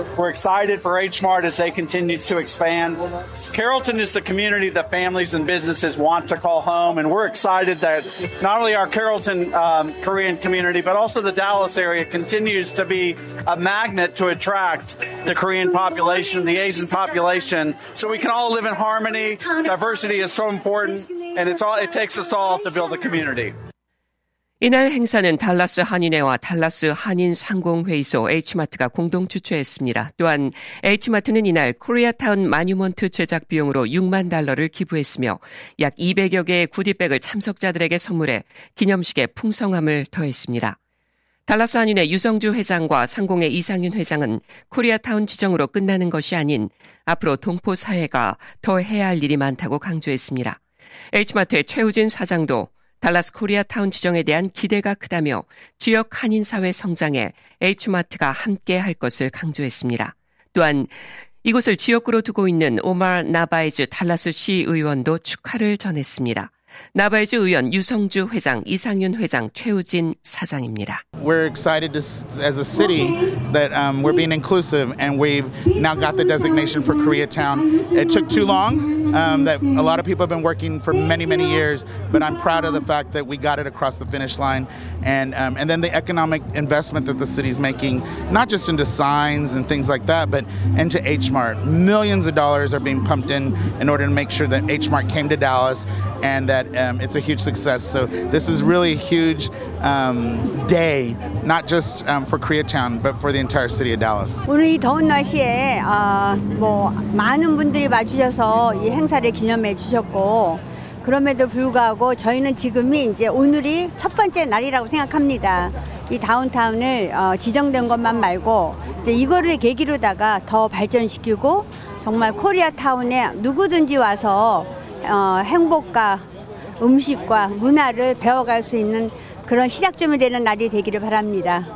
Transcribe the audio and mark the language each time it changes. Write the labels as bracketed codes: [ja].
[en] We're excited for H-Mart as they continue to expand. Carrollton is the community that families and businesses want to call home. And we're excited that not only our Carrollton Korean community, but also the Dallas area continues to be a magnet to attract the Korean population, the Asian population, so we can all live in harmony. Diversity is so important, and it takes us all to build a community. [ko] 이날 행사는 달라스 한인회와 달라스 한인상공회의소 H마트가 공동 주최했습니다. 또한 H마트는 이날 코리아타운 마뉴먼트 제작 비용으로 6만 달러를 기부했으며 약 200여 개의 구디백을 참석자들에게 선물해 기념식에 풍성함을 더했습니다. 달라스 한인회 유성주 회장과 상공회 이상윤 회장은 코리아타운 지정으로 끝나는 것이 아닌 앞으로 동포 사회가 더 해야 할 일이 많다고 강조했습니다. H마트의 최우진 사장도 달라스 코리아타운 지정에 대한 기대가 크다며 지역 한인사회 성장에 H마트가 함께할 것을 강조했습니다. 또한 이곳을 지역구로 두고 있는 오마 나바이즈 달라스 시의원도 축하를 전했습니다. 나바이즈 의원 유성주 회장, 이상윤 회장, 최우진 사장입니다. [en] We're excited as a city that we're being inclusive and we've now got the designation for Koreatown. It took too long. That a lot of people have been working for many, many years, but I'm proud of the fact that we got it across the finish line. And then the economic investment that the city's making, not just into signs and things like that, but into H-Mart. Millions of dollars are being pumped in order to make sure that H-Mart came to Dallas and that it's a huge success. So this is really a huge day, not just for Koreatown, but for the entire city of Dallas. [ko] 오늘 이 더운 날씨에 뭐 많은 분들이 와주셔서 이 행사를 기념해 주셨고, 그럼에도 불구하고 저희는 지금이 이제 오늘이 첫 번째 날이라고 생각합니다. 이 다운타운을 지정된 것만 말고 이제 이거를 계기로다가 더 발전시키고 정말 코리아타운에 누구든지 와서 행복과 음식과 문화를 배워갈 수 있는 그런 시작점이 되는 날이 되기를 바랍니다.